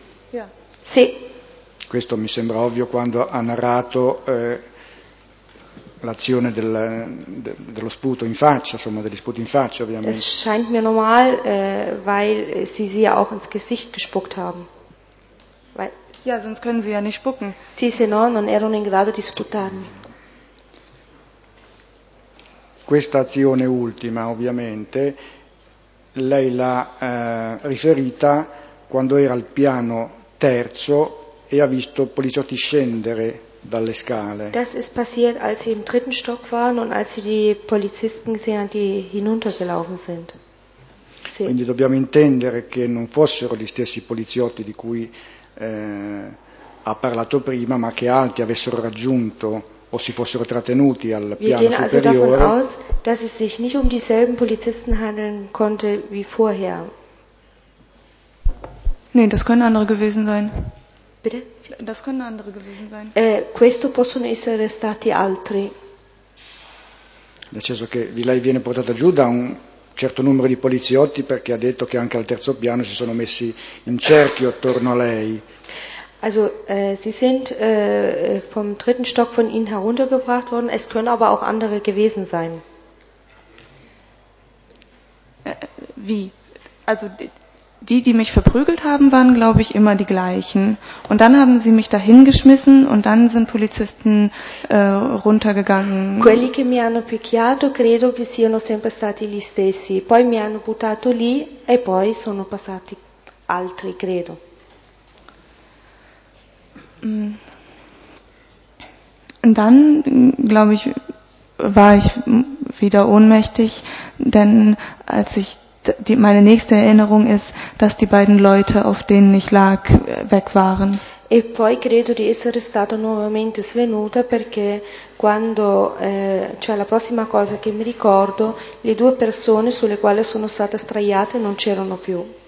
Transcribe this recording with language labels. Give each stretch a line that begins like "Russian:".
German: Ja.
Italian: Sì. Questo mi sembra ovvio quando ha narrato l'azione dello sputo in faccia, insomma, degli sputi in faccia, ovviamente.
German: Es scheint mir normal, weil Sie sie ja auch ins Gesicht gespuckt haben. Ja, sonst können sie ja nicht spucken.
Italian: Sì, se no, non erano in grado di sputarmi. Questa azione ultima, ovviamente, lei l'ha riferita quando era al piano terzo e ha visto poliziotti scendere dalle scale.
German: Das ist passiert, als sie im dritten Stock waren und als sie die Polizisten gesehen haben, die hinuntergelaufen sind.
Italian: Sì. Quindi dobbiamo intendere che non fossero gli stessi poliziotti di cui ha parlato prima, ma che altri avessero raggiunto o si fossero trattenuti al piano superiore.
German: Also davon aus, dass es sich nicht um dieselben Polizisten handeln konnte wie vorher. Nee, das können andere gewesen sein. Bitte? Das können andere gewesen sein.
Italian: Questo possono essere stati altri. Nel senso che lei viene portata giù da un certo numero di poliziotti perché ha detto che anche al terzo piano si sono messi in cerchio attorno a lei.
German: Also, sie sind vom dritten Stock von ihnen heruntergebracht worden, es können aber auch andere gewesen sein. Wie? Also, die mich verprügelt haben, waren, glaube ich, immer die gleichen. Und dann haben sie mich dahin geschmissen und dann sind Polizisten runtergegangen.
Italian: Quelli che mi hanno picchiato, credo che siano sempre stati gli stessi. Poi mi hanno buttato lì e poi sono passati altri, credo.
German: Und dann, glaube ich, war ich wieder ohnmächtig, denn als ich meine nächste Erinnerung ist, dass die beiden Leute, auf denen ich lag, weg waren.
Italian: E poi credo di essere stata nuovamente svenuta perché quando cioè la prossima cosa che mi ricordo, le due persone sulle quali sono state straiate non c'erano più.